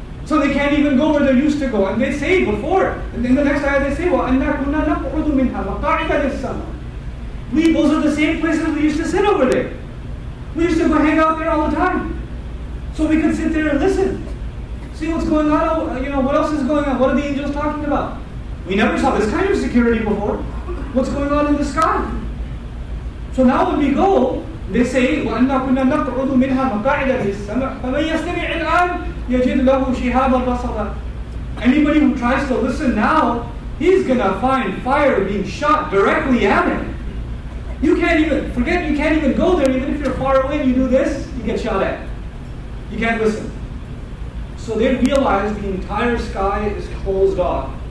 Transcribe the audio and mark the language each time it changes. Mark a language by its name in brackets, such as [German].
[English] So they can't even go where they used to go. And they say before, and in the next ayah they say, [Arabic] وَأَنَّا كُنَّا نَقْعُدُ مِنْهَا مَقَعِدَ لِلسَّمَاءِ. [English] Those are the same places we used to sit over there. We used to go hang out there all the time. So we could sit there and listen. See what's going on, you know, what else is going on? What are the angels talking about? We never saw this kind of security before. What's going on in the sky? So now when we go, they say, [Arabic] وَأَنَّا كُنَّا نَقْعُدُ مِنْهَا مَقَعِدَ لِلسَّمَاءِ فَمَنْ يَسْتَمِعِ الْآنِ يَجِدْ لَهُ شِهَابًا بَصَرًا. [English] Anybody who tries to listen now, he's gonna find fire being shot directly at him. You can't even, forget, you can't even go there. Even if you're far away and you do this, you get shot at. You can't listen. So they realize the entire sky is closed off.